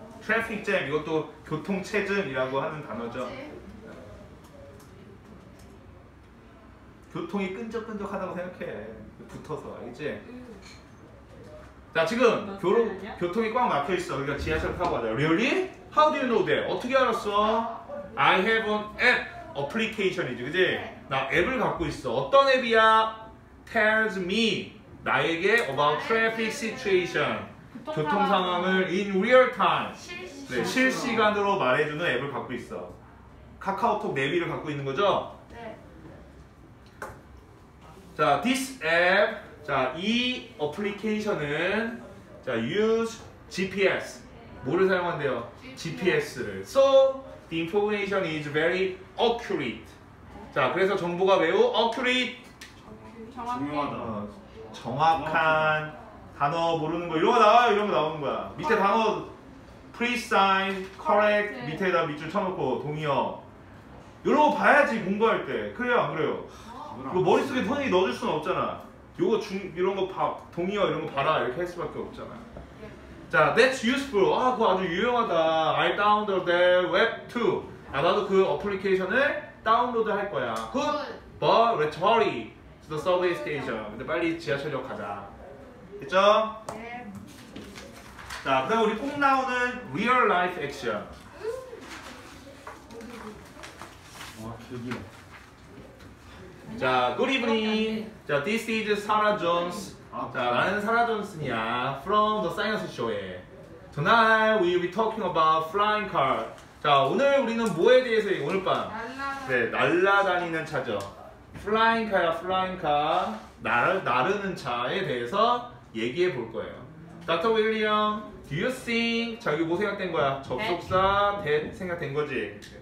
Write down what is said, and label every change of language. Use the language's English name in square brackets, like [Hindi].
[Korean] 트래픽 잼 이것도 교통 체증이라고 하는 단어죠. 교통이 끈적끈적하다고 생각해. 붙어서 알겠지? 자 지금 교통이 꽉 막혀 있어. 그러니까 지하철 타고 가자. [English] Really? How do you know that? [Korean] 어떻게 알았어? [English] I have an app application이지, 그지? [Korean] 나 앱을 갖고 있어. 어떤 앱이야? [English] Tells me [Korean] 나에게 [English] about traffic situation. [Korean] 교통 상황을 [English] in real time [Korean] 실시간으로. 네, 실시간으로 말해주는 앱을 갖고 있어. 카카오톡 내비를 갖고 있는 거죠? 네. 자, [English] this app, [Korean] 자, 이 어플리케이션은 자, [English] use GPS. [Korean] 뭐를 사용한대요? GPS를. [English] So, the information is very accurate. [Korean] 자, 그래서 정보가 매우 accurate. 정확하다. 정확한 단어 모르는 거 이런 거 나와요? 이런 거 나오는 거야. 밑에 단어 pre-sign, correct 밑에다 밑줄 쳐놓고 동의어 이런 거 봐야지 공부할 때. 그래요 안 그래요? 이거 머릿속에 흔히 넣어줄 수는 없잖아. 이거 이런 거 봐, 동의어 이런 거 봐라 이렇게 할 수밖에 없잖아. 자, [English] that's useful. [Korean] 아 그거 아주 유용하다. [English] I downloaded that web too. [Korean] 아, 나도 그 어플리케이션을 다운로드 할 거야. [English] Good, but let's hurry to the subway station. [Korean] 근데 빨리 지하철역 가자. 됐죠? 네. 자, 그다음 우리 꼭 나오는 [English] real life action. [Korean] 와, 길기야. [English] 자, good evening. 자, this is Sarah Jones. [Korean] 자, 나는 Sarah Jones이야. [English] From the science show에. Tonight we will be talking about flying car. [Korean] 자, 오늘 우리는 뭐에 대해서 얘기해? 오늘 밤. 네, 날라다니는 차죠. Flying car야, flying car. 나르는 차에 대해서 얘기해 볼 거예요. [English] Dr. William, do you think? [Korean] 자, 이거 뭐 생각된 거야? 접속사 that 생각된 거지?